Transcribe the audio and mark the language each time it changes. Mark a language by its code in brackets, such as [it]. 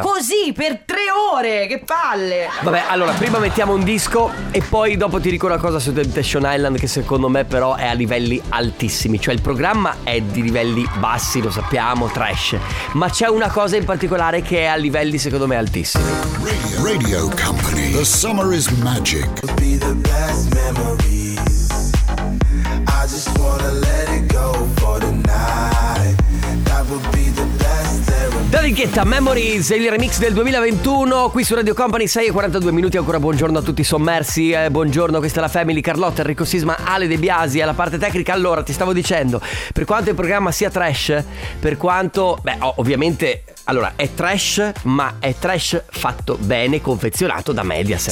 [it] Così, per 3 ore, che palle. Vabbè, allora, prima mettiamo un disco. E poi dopo ti dico una cosa su Temptation Island, che secondo me però è a livelli altissimi. Cioè il programma è di livelli bassi, lo sappiamo, trash. Ma c'è una cosa in particolare che è a livelli, secondo me, altissimi. [en] Radio Company, the summer is magic. It'll be the best memories. I just wanna let it go for the night. That would be the best therapy. [it] David Guetta, Memories, il remix del 2021 qui su Radio Company, 6:42. Ancora buongiorno a tutti sommersi. Buongiorno, questa è la Family, Carlotta, Enrico Sisma, Ale De Biasi alla parte tecnica. Allora, ti stavo dicendo, per quanto il programma sia trash, per quanto, beh, ovviamente. Allora, è trash, ma è trash fatto bene, confezionato da Mediaset.